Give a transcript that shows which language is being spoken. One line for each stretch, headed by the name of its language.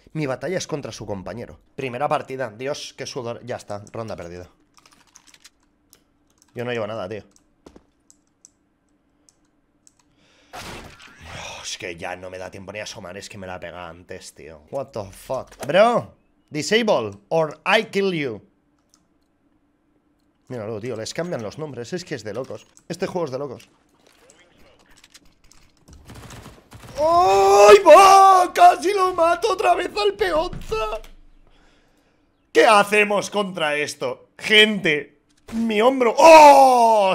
Spanish: Mi batalla es contra su compañero. Primera partida. Dios, qué sudor. Ya está. Ronda perdida. Yo no llevo nada, tío. Es que ya no me da tiempo ni a asomar. Es que me la pega antes, tío.
English: What the fuck. Bro, disable or I kill you.
Spanish: Míralo, tío, les cambian los nombres. Es que es de locos. Este juego es de locos. ¡Ay, va! ¡Casi lo mato otra vez al peonza! ¿Qué hacemos contra esto? Gente, mi hombro. ¡Oh!